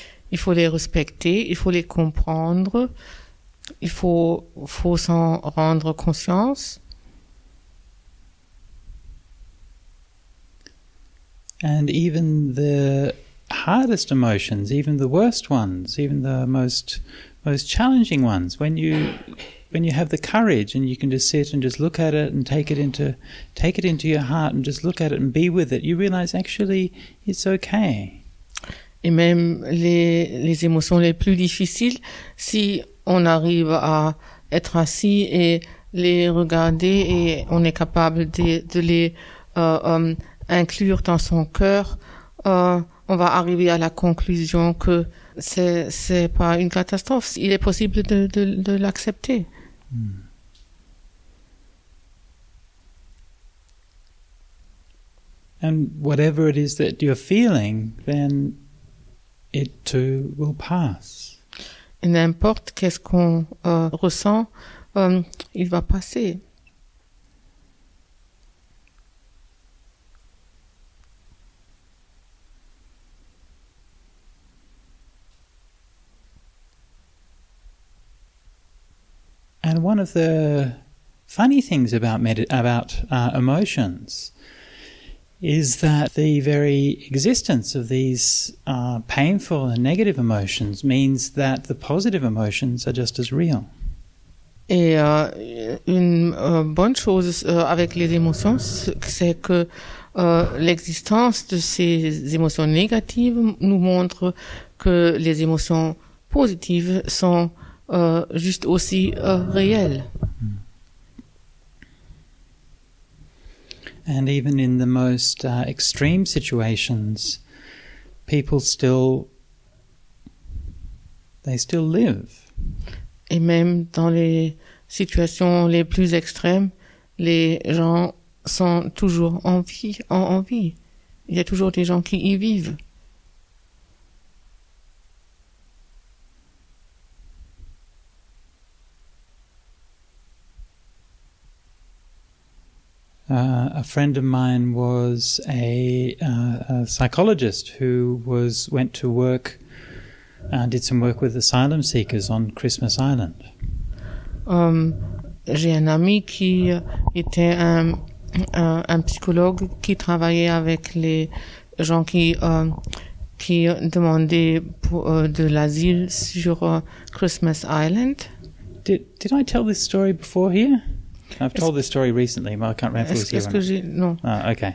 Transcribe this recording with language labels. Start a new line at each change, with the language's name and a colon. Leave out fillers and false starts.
French: Il faut les respecter, il faut les comprendre, il faut s'en rendre conscience.
English: And even the hardest emotions, even the worst ones, even the most challenging ones, when you have the courage and you can just sit and just look at it and take it into your heart and just look at it and be with it, you realize actually it's okay.
French: Et même les émotions les plus difficiles, si on arrive à être assis et les regarder et on est capable de les inclure dans son cœur, on va arriver à la conclusion que c'est pas une catastrophe. Il est possible de l'accepter.
English: And whatever it is that you're feeling, then it too will pass.
French: Et n'importe qu'est-ce qu'on ressent, il va passer.
English: And one of the funny things about emotions is that the very existence of these painful and negative emotions means that the positive emotions are just as real.
French: Et une bonne chose avec les émotions, c'est que l'existence de ces émotions négatives nous montre que les émotions positives sont juste aussi réelles.
English: And even in the most extreme situations, people still live.
French: Et même dans les situations les plus extrêmes, les gens sont toujours en vie. Il y a toujours des gens qui y vivent.
English: A friend of mine was a psychologist who went to work and did some work with asylum seekers on Christmas Island.
French: J'ai un ami qui était un psychologue qui travaillait avec les gens qui demandaient de l'asile sur Christmas Island.
English: Did I tell this story before here? I've told this story recently, but I can't remember if it was here.